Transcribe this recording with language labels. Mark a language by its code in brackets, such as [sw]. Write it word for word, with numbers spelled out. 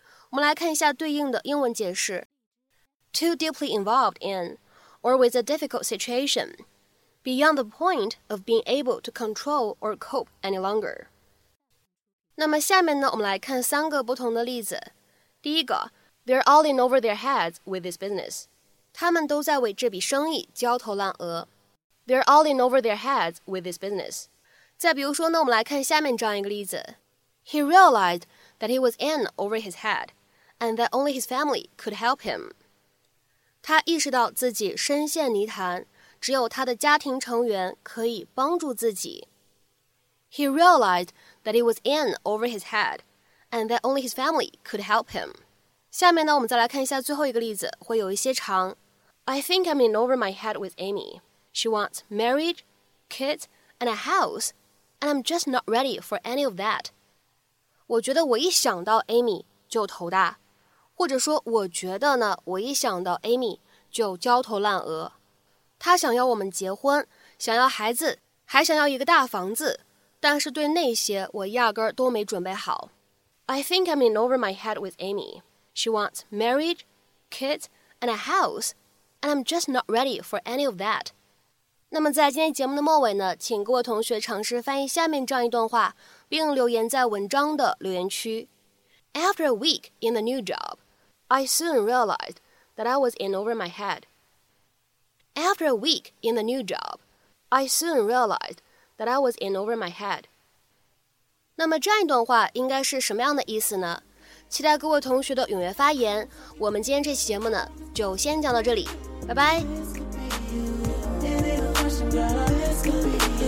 [zh] 我们来看一下对应的英文解释 [en] ：Too deeply involved in, or with a difficult situation, beyond the point of being able to control or cope any longer. [zh] 那么下面呢，我们来看三个不同的例子。第一个。 [en] They're all in over their heads with this business. [zh] 他们都在为这笔生意焦头烂额。 [en] They're all in over their heads with this business. [zh] 再比如说呢，我们来看下面这样一个例子。 [en] He realized that he was in over his head, and that only his family could help him. [zh] 他意识到自己深陷泥潭，只有他的家庭成员可以帮助自己。 [en] He realized that he was in over his head, and that only his family could help him. [zh] 下面呢，我们再来看一下最后一个例子，会有一些长。 [en] I think I'm in over my head with Amy. She wants marriage, kids, and a house, and I'm just not ready for any of that. [zh] 我觉得我一想到 Amy 就头大，或者说我觉得呢，我一想到 Amy 就焦头烂额。她想要我们结婚，想要孩子，还想要一个大房子，但是对那些我压根儿都没准备好。 [en] I think I'm in over my head with Amy. She wants marriage, kids, and a house, and I'm just not ready for any of that. [zh] 那么在今天节目的末尾呢，请各位同学尝试翻译下面这样一段话，并留言在文章的留言区。 [en] After a week in the new job, I soon realized that I was in over my head. After a week in the new job, I soon realized that I was in over my head. [zh] 那么这样一段话应该是什么样的意思呢？期待各位同学的踊跃发言，我们今天这期节目呢，就先讲到这里，拜拜。